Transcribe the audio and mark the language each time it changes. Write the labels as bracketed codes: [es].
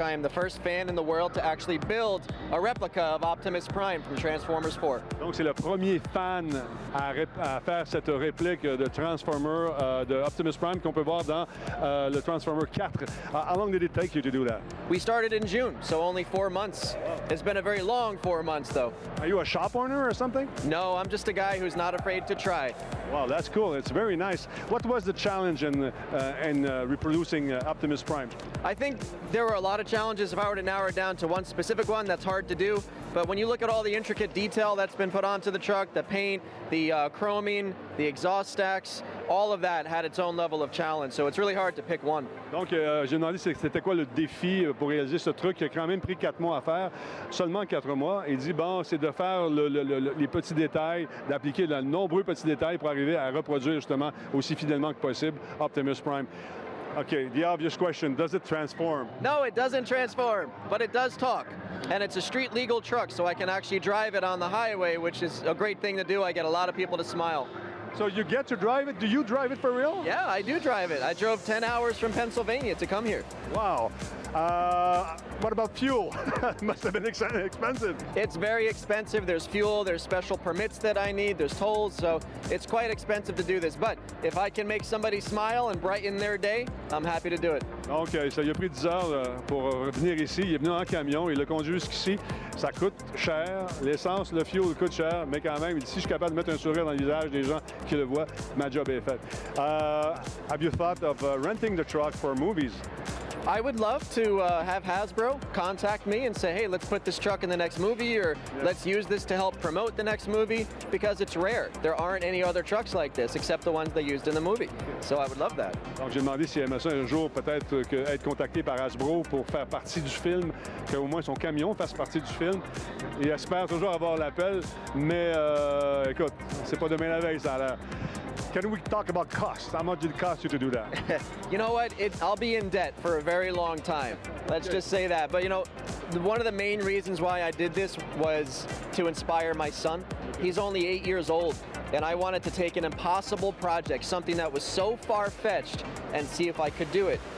[en] I am the first fan in the world to actually build a replica of Optimus Prime from Transformers 4. [fr] Donc, c'est le premier fan à faire cette réplique de Transformer, de Optimus Prime qu'on peut voir dans le Transformer 4. [en] How long did it take you to do that? We started in June, so only 4 months. It's been a very long 4 months, though. Are you a shop owner? Or something? No, I'm just a guy who's not afraid to try. Wow, that's cool. It's very nice. What was the challenge in reproducing Optimus Prime? I think there were a lot of challenges. If I were to narrow it down to one specific one, that's hard to do. But when you look at all the intricate detail that's been put onto the truck, the paint, the chroming, the exhaust stacks, all of that had its own level of challenge. So it's really hard to pick one. [fr] Donc, j'ai demandé, c'était quoi le défi pour réaliser ce truc qui a quand même pris 4 mois à faire, seulement 4 mois. Il dit, bon, c'est de faire les petits détails, d'appliquer de nombreux petits détails pour arriver à reproduire justement aussi fidèlement que possible Optimus Prime. [en] Okay, the obvious question, does it transform? No, it doesn't transform, but it does talk. And it's a street legal truck, so I can actually drive it on the highway, which is a great thing to do. I get a lot of people to smile. So you get to drive it? Do you drive it for real? Yeah, I do drive it. I drove 10 hours from Pennsylvania to come here. Wow. What about fuel? It must have been expensive. It's very expensive. There's fuel, there's special permits that I need, there's tolls, so it's quite expensive to do this. But if I can make somebody smile and brighten their day, I'm happy to do it. [fr] OK, ça a pris 10 heures pour venir ici. Il est venu en camion, il l'a conduit jusqu'ici. Ça coûte cher. L'essence, le fuel coûte cher, mais quand même, si je suis capable de mettre un sourire dans le visage des gens qui le voient, ma job est faite. [en] Have you thought of renting the truck for movies? I would love to have Hasbro contact me and say, hey, let's put this truck in the next movie, or let's use this to help promote the next movie, because it's rare. There aren't any other trucks like this, except the ones they used in the movie. So I would love that. [fr] Donc, j'ai demandé si Amazon un jour peut-être être contacté par Hasbro pour faire partie du film, que au moins son camion fasse partie du film. Il espère toujours avoir l'appel, mais écoute, c'est pas demain la veille, ça a l'air. [en] Can we talk about costs? How much did it cost you to do that? You know what? I'll be in debt for a very long time. Let's just say that. But you know, one of the main reasons why I did this was to inspire my son. He's only 8 years old, and I wanted to take an impossible project, something that was so far-fetched, and see if I could do it.